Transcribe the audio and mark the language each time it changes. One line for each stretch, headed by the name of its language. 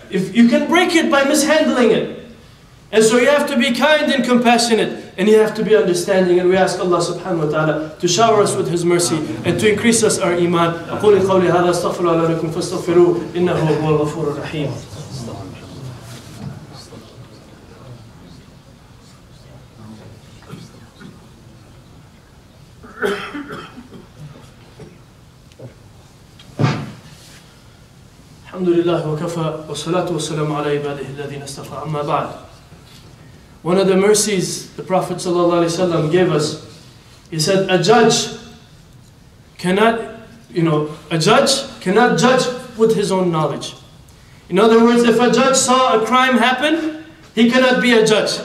English: If you can break it by mishandling it. And so you have to be kind and compassionate, and you have to be understanding, and we ask Allah subhanahu wa ta'ala to shower us with His mercy and to increase us our iman.
Arabic: أقول قولي هذا استغفر الله لكم فاستغفروه إنه هو الغفور الرحيم. الحمد لله وكفى والصلاة والسلام على عباده الذين استفى أما بعد.
English: One of the mercies the Prophet ﷺ gave us, he said, a judge cannot judge with his own knowledge. In other words, if a judge saw a crime happen, he cannot be a judge.